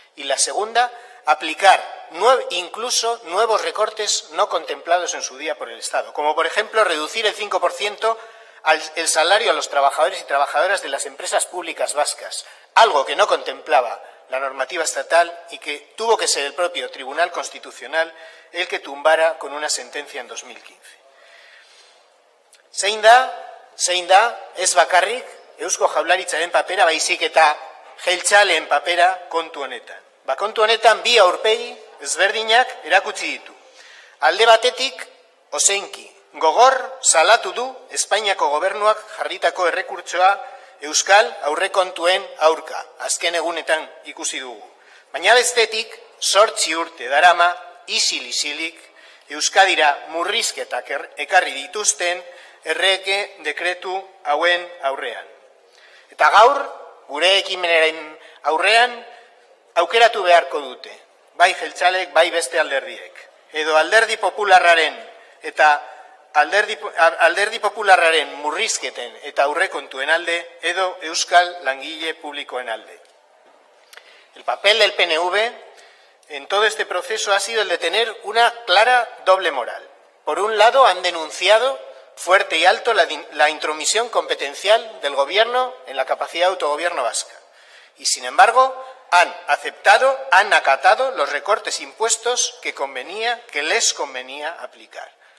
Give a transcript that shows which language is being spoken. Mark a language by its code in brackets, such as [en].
[es] Y la segunda, aplicar incluso nuevos recortes no contemplados en su día por el Estado, como por ejemplo reducir el 5% el salario a los trabajadores y trabajadoras de las empresas públicas vascas, algo que no contemplaba la normativa estatal y que tuvo que ser el propio Tribunal Constitucional el que tumbara con una sentencia en 2015. [eu] Zein da, ez bakarrik, Eusko Jaurlaritzaren papera, baizik eta jeltzaleen papera kontu honetan. Kontu honetan bi aurpegi ezberdinak erakutsi ditu. Alde batetik, ozenki, gogor salatu du Espainiako gobernuak jarritako errekurtsoa Euskal aurrekontuen aurka, azken egunetan ikusi dugu. Baina bestetik, 8 urte darama, isil-isilik, Euskadira murrizketak ekarri dituzten errege dekretu hauen aurrean. Eta gaur, gure ekimenaren aurrean, aukeratu beharko dute, bai jeltzalek, bai beste alderdiek. Edo alderdi popularraren eta alderdi popularraren murrizketen eta aurrekontuen alde, edo euskal langile publikoen alde. [es] El papel del PNV en todo este proceso ha sido el de tener una clara doble moral. Por un lado, han denunciado fuerte y alto la intromisión competencial del Gobierno en la capacidad de autogobierno vasca. Y sin embargo, han acatado los recortes impuestos que les convenía aplicar.